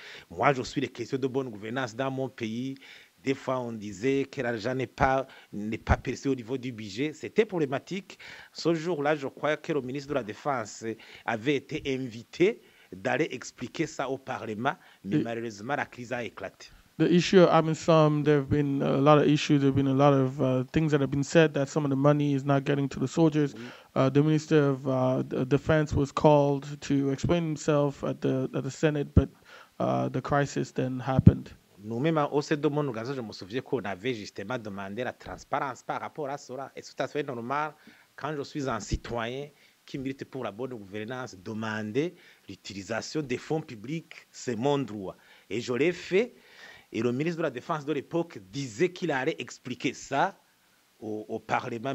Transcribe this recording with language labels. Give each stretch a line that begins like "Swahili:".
French: Moi, je suis les questions de bonne gouvernance dans mon pays. Des fois, on disait que l'argent n'est pas percé au niveau du budget. C'était problématique. Ce jour-là, je crois que le ministre de la Défense avait été invité d'aller expliquer ça au Parlement. Mais malheureusement, la crise a éclaté.
English: The issue, I mean, some, there have been a lot of issues. There have been a lot of things that have been said that some of the money is not getting to the soldiers. The Minister of Defense was called to explain himself at the Senate, but the crisis then happened.
French: Nous-mêmes, au sein de mon organisation, je me souviens qu'on avait justement demandé la transparence par rapport à cela. Et c'est tout à fait normal, quand je suis un citoyen qui milite pour la bonne gouvernance, demander l'utilisation des fonds publics, c'est mon droit. Et je l'ai fait. Et le ministre de la Défense de l'époque disait qu'il allait expliquer ça au Parlement.